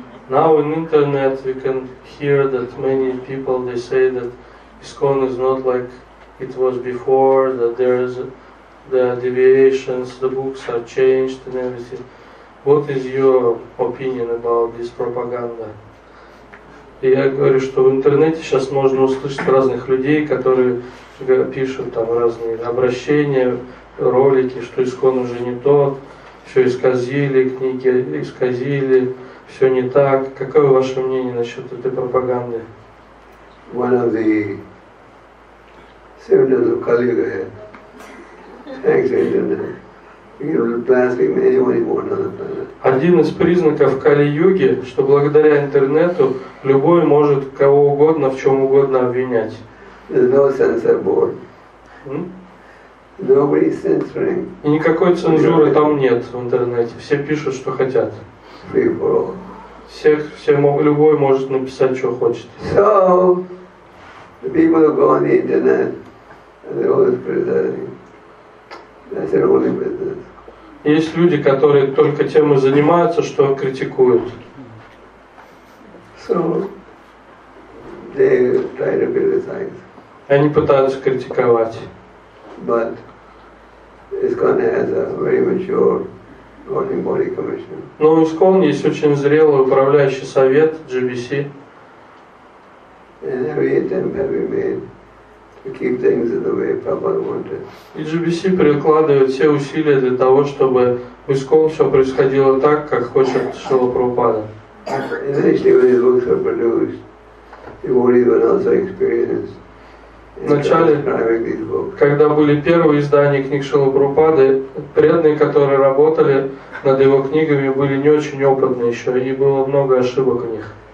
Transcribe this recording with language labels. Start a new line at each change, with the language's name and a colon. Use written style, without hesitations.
English: Now in internet we can hear that many people, they say that ISKCON is not like it was before, that there is the deviations, the books are changed and everything. What is your opinion about this propaganda?
Russian: Я говорю, что в интернете сейчас можно услышать разных людей, которые пишут там разные обращения, ролики, что ИСККОН уже не тот, все исказили, книги исказили, все не так. Какое ваше мнение насчет этой пропаганды?
English: One of the seminars of Kaliga, thanks internet, you're blasting anyone you want on the planet.
Russian: Один из признаков Кали-Юги, что благодаря интернету любой может кого угодно, в чем угодно обвинять.
English: There's no censor board. Nobody censoring.
Russian: И никакой цензуры там нет в интернете. Все пишут, что хотят.
English: Free for all.
Russian: Любой может написать, что хочет.
English: So, the people who go on the internet, they're always criticizing. That's their only business.
Russian: Есть люди, которые только тем и занимаются, что критикуют.
English: So, they try to criticize.
Russian: Они пытаются критиковать.
English: But ISKCON has a very mature governing body commission.
Russian: Но ISKCON есть очень зрелый управляющий совет GBC.
English: And every attempt has been made to keep things in the way Prabhupada wanted.
Russian: И GBC прикладывает все усилия для того, чтобы в ISKCON все происходило так, как хочет Шрила Прабхупада.
English: Initially, when these books were produced, it won't even also experience.
Russian: В начале, когда были первые издания книг Шрилы Прабхупады, преданные, которые работали над его книгами, были не очень опытны еще, и было много ошибок у них.